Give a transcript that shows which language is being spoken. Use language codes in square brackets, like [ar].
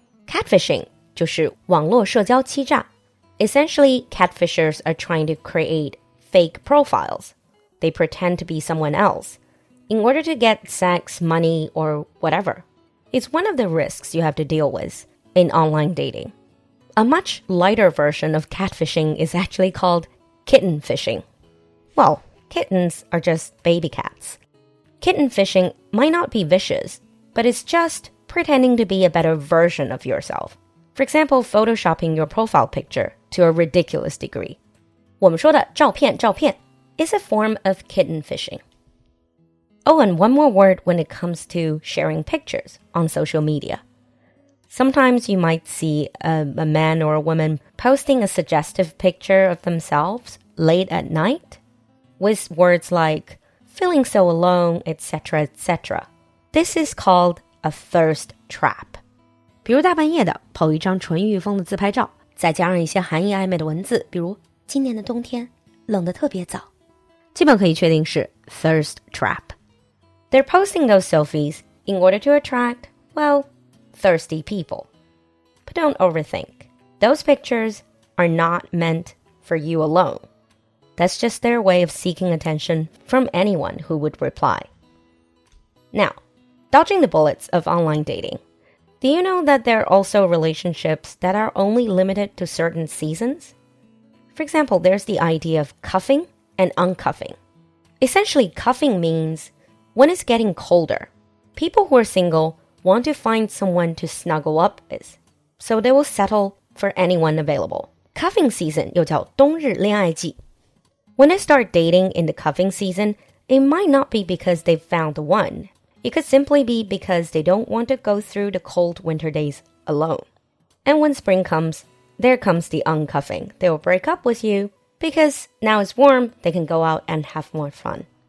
[zh] Catfishing 就是网络社交欺诈。 [en] Essentially, catfishers are trying to create fake profiles. They pretend to be someone else in order to get sex, money, or whatever. It's one of the risks you have to deal with in online dating. A much lighter version of catfishing is actually called kitten fishing. Well, kittens are just baby cats. Kitten fishing might not be vicious, but it's just pretending to be a better version of yourself. For example, photoshopping your profile picture to a ridiculous degree. [zh] 我们说的照片，照片。 [en] Is a form of kitten fishing. Oh, and one more word when it comes to sharing pictures on social media. Sometimes you might see a man or a woman posting a suggestive picture of themselves late at night with words like feeling so alone, etc., etc. This is called a thirst trap. [zh] 比如大半夜的抛一张纯欲风的自拍照，再加上一些含义暧昧的文字，比如今年的冬天冷得特别早。基本可以确定是 thirst trap. [en] They're posting those selfies in order to attract, well, thirsty people. But don't overthink. Those pictures are not meant for you alone. That's just their way of seeking attention from anyone who would reply. Now, dodging the bullets of online dating, do you know that there are also relationships that are only limited to certain seasons? For example, there's the idea of cuffing,and uncuffing. Essentially, cuffing means when it's getting colder, people who are single want to find someone to snuggle up with, so they will settle for anyone available. [zh] Cuffing season 又叫冬日恋爱季。 [en] When they start dating in the cuffing season, it might not be because they've found one. It could simply be because they don't want to go through the cold winter days alone. And when spring comes, there comes the uncuffing. They will break up with youBecause now it's warm, they can go out and have more fun.